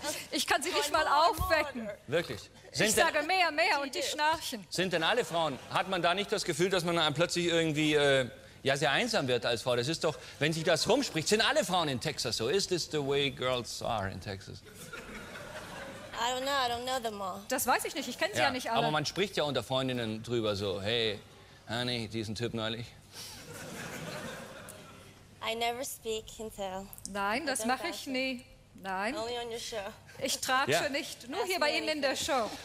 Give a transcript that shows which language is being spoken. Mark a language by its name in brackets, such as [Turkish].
[German] Ich kann sie nicht mal aufwecken. Wirklich? Ich sage mehr, mehr und die schnarchen. Sind denn alle Frauen? Hat man da nicht das Gefühl, dass man dann plötzlich irgendwie ja, sehr einsam wird als Frau? Das ist doch, wenn sich das rumspricht, sind alle Frauen in Texas so? [English] Is this the way girls are in Texas? I don't know them all. [German] Das weiß ich nicht, ich kenne sie ja nicht alle. Aber man spricht ja unter Freundinnen drüber so, hey, honey, diesen Typ neulich. [English] I never speak until. [German] Nein, das mache ich nie. Nein. [English] Only on your show. [German] Ich tratsche nicht, nur ask hier bei Ihnen in der Show.